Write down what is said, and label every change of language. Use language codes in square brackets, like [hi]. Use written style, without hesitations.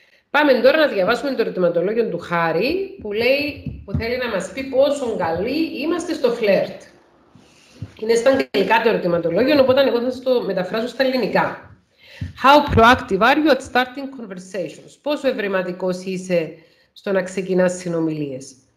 [el] Πάμε τώρα να διαβάσουμε το ερωτηματολόγιο του Χάρη, που λέει, που θέλει να μας πει πόσο καλοί είμαστε στο φλερτ. Είναι στα αγγλικά το ερωτηματολόγιο, οπότε εγώ θα το μεταφράσω στα ελληνικά. [en] How proactive are you at starting conversations? [el] Πόσο ευρηματικός είσαι στο να ξεκινάς συνομιλίες?